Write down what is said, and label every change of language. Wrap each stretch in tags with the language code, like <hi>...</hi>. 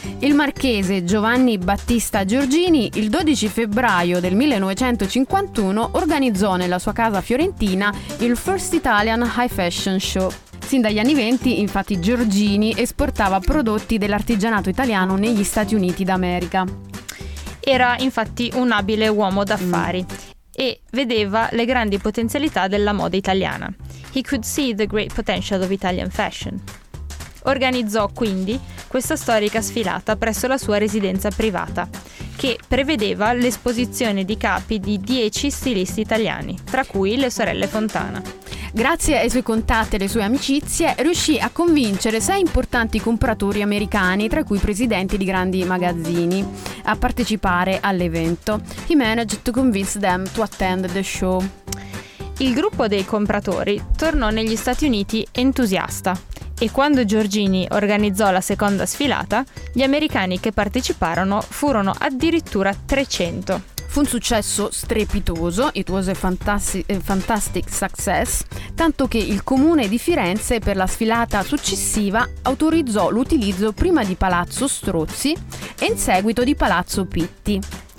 <it>Il marchese Giovanni Battista Giorgini, il 12 febbraio del 1951, organizzò nella sua casa fiorentina il First Italian High Fashion Show. Sin dagli anni 20, infatti, Giorgini esportava prodotti dell'artigianato italiano negli Stati Uniti d'America. Era infatti un abile uomo d'affari e vedeva le grandi potenzialità della moda italiana.</it> <en>He could see the great potential of Italian fashion.</en> <it>Organizzò quindi questa storica sfilata presso la sua residenza privata, che prevedeva l'esposizione di capi di 10 stilisti italiani, tra cui le sorelle Fontana. Grazie ai suoi contatti e alle sue amicizie, riuscì a convincere 6 importanti compratori americani, tra cui presidenti di grandi magazzini, a partecipare all'evento.</it> <en>He managed to convince them to attend the show.</en> <it>Il gruppo dei compratori tornò negli Stati Uniti entusiasta. E quando Giorgini organizzò la seconda sfilata, gli americani che parteciparono furono addirittura 300. Fu un successo strepitoso,</it> <en>it was a fantastic success,</en> <it>tanto che il comune di Firenze per la sfilata successiva autorizzò l'utilizzo prima di Palazzo Strozzi e in seguito di Palazzo Pitti.</it>